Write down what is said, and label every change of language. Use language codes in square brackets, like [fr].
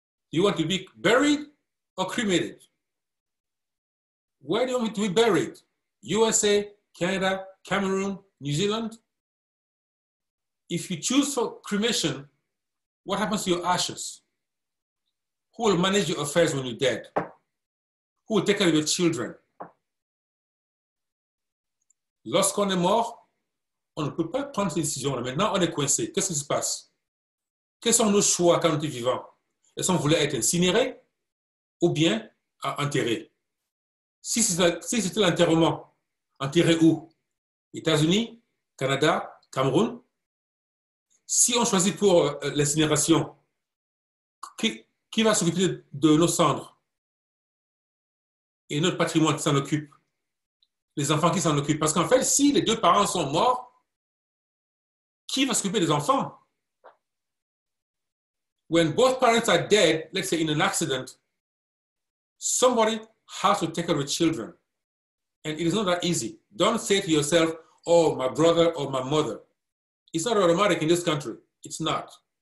[en] Do you want to be buried or cremated? Where do you want to be buried? USA, Canada, Cameroon, New Zealand? If you choose for cremation, what happens to your ashes? Who will manage your affairs when you're dead? Who will take care of your children? [fr] Lorsqu'on est mort, on ne peut pas prendre ces décisions-là. Maintenant, on est coincé. Qu'est-ce qui se passe? Quels sont nos choix quand on est vivant? Est-ce qu'on voulait être incinéré ou bien enterré? Si c'était l'enterrement, enterré où? États-Unis, Canada, Cameroun? Si on choisit pour l'incinération, qui va s'occuper de nos cendres? Et notre patrimoine qui s'en occupe? Les enfants qui s'en occupent? Parce qu'en fait, si les deux parents sont morts, qui va s'occuper des enfants? [en] When both parents are dead, let's say in an accident, somebody has to take care of the children. And it is not that easy. Don't say to yourself, oh, my brother or my mother. It's not automatic in this country. It's not.